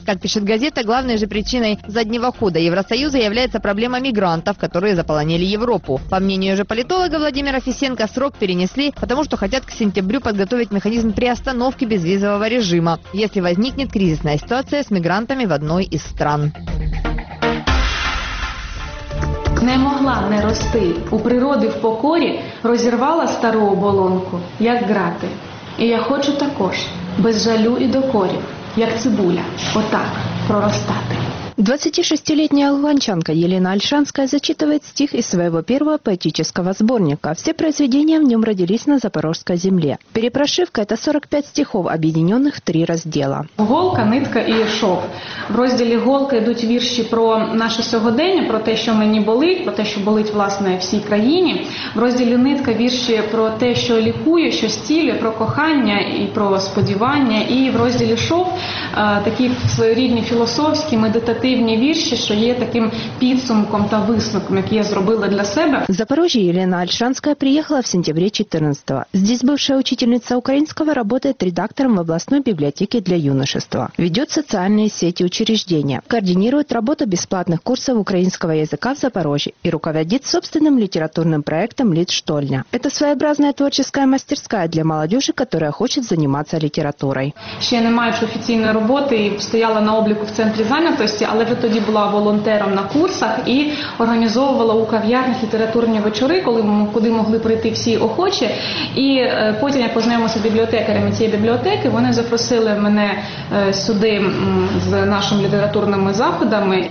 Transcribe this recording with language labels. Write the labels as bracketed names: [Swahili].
[Russian] Как пишет газета, главной же причиной заднего хода Евросоюза является проблема мигрантов, которые заполонили Европу. По мнению же политолога Владимира Фисенко, срок перенесли, потому что хотят к сентябрю подготовить механизм приостановки безвизового режима, если возникнет кризисная ситуация с мигрантами в одной из стран. [Ukrainian] Не могла не рости. У природи в покорі розірвала стару оболонку, як грати. І я хочу також, без жалю і докорів, як цибуля, отак проростати. [Russian] 26-летняя луганчанка Елена Альшанская зачитывает стих из своего первого поэтического сборника. Все произведения в нем родились на запорожской земле. Перепрошивка – это 45 стихов, объединенных в три раздела. Голка, нитка и шов. В разделе [Ukrainian] «Голка» [Russian] идут [Ukrainian] вірші про наше сьогодення, про те, що мені болить, про те, що болить, власне, всій країні. [Russian] В разделе [Ukrainian] «Нитка» вірші про те, що лікує, що стілює, про кохання і про сподівання. І в [Russian] разделе [Ukrainian] «Шов» такі своєрідні філософські, медитативні, активні вірші, що є таким підсумком та висновком, який я зробила для себе. [Russian] В Запорожье Елена Альшанская приехала в сентябре 14-го. Здесь бывшая учительница украинского работает редактором в областной библиотеке для юношества. Ведет социальные сети учреждения. Координирует работу бесплатных курсов украинского языка в Запорожье и руководит собственным литературным проектом «Литштольня». Это своеобразная творческая мастерская для молодежи, которая хочет заниматься литературой. [Ukrainian] Ще не маєш офіційної роботи і стояла на обліку в центрі занятості. Але вже тоді була волонтером на курсах і організовувала у кав'ярнях літературні вечори, куди могли прийти всі охочі. І потім я познайомилася з бібліотекарями цієї бібліотеки. Вони запросили мене сюди з нашими літературними заходами.